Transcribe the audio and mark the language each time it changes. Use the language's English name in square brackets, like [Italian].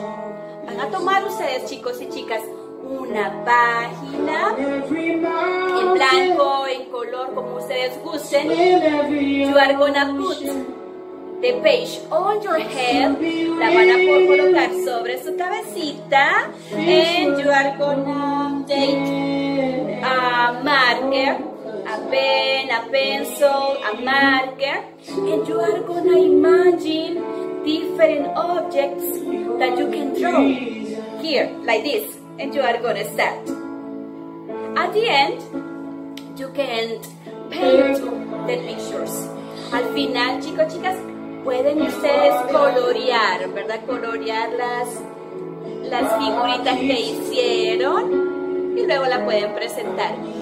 [Spanish] Van a tomar ustedes, chicos y chicas, una página en blanco, en color, como ustedes gusten. [English] You are gonna put the page on your head. [Spanish] La van a poder colocar sobre su cabecita. [English] And you are gonna take a marker, a pen, a pencil, a marker. And you are gonna imagine different objects that you can draw here, like this. And you are gonna start. At the end, you can paint the pictures. [Spanish] Al final, chicos, chicas, pueden ustedes colorear, ¿verdad? Colorear las figuritas que hicieron y luego la pueden presentar.